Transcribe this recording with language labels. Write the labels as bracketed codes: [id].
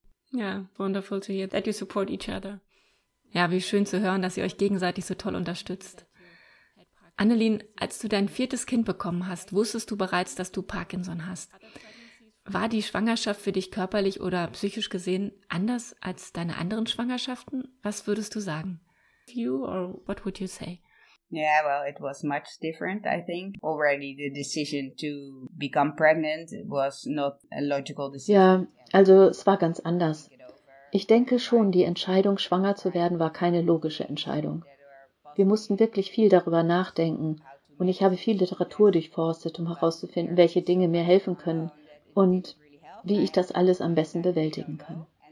[en] Ja, wonderful to hear that you support each other. [de] Ja, wie schön zu hören, dass ihr euch gegenseitig so toll unterstützt. Annelien, als du dein 4. Kind bekommen hast, wusstest du bereits, dass du Parkinson hast. War die Schwangerschaft für dich körperlich oder psychisch gesehen anders als deine anderen Schwangerschaften? Was würdest du sagen? [en] You or what would you say? Yeah, well, it was much different, I think. Already the decision to become pregnant was not a logical decision. [de] Ja, also es war ganz anders. Ich denke schon, die Entscheidung, schwanger zu werden, war keine logische Entscheidung. Wir mussten wirklich viel darüber nachdenken und ich habe viel Literatur durchforstet, um herauszufinden, welche Dinge mir helfen können und wie ich das alles am besten bewältigen kann.